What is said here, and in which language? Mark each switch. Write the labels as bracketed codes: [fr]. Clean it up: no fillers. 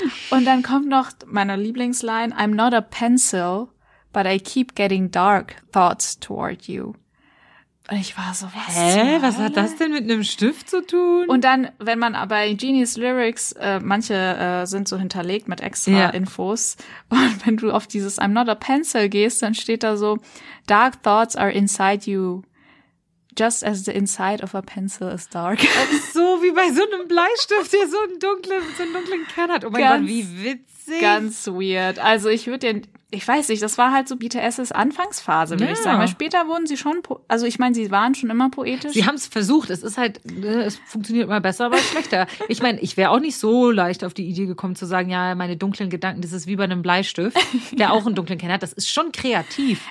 [de] Und dann kommt noch meine Lieblingsline, [en] I'm not a pencil, but I keep getting dark thoughts toward you. [de] Und ich war so, was? Hä? Was hat das denn mit einem Stift zu tun? Und dann, wenn man bei Genius Lyrics, manche sind so hinterlegt mit extra Infos. Und wenn du auf dieses [en] I'm not a pencil [de] gehst, dann steht da so, [en] dark thoughts are inside you. Just as the inside of a pencil is dark. [de] So wie bei so einem Bleistift, der so einen dunklen Kern hat. Oh mein Gott, wie witzig. Ganz weird. Also ich würde den, ich weiß nicht, das war halt so BTSs Anfangsphase, würde ich sagen. Weil später wurden sie schon, also ich meine, sie waren schon immer poetisch. Sie haben es versucht. Es ist halt, es funktioniert immer besser, aber schlechter. Ich meine, ich wäre auch nicht so leicht auf die Idee gekommen zu sagen, ja, meine dunklen Gedanken, das ist wie bei einem Bleistift, der auch einen dunklen Kern hat. Das ist schon kreativ.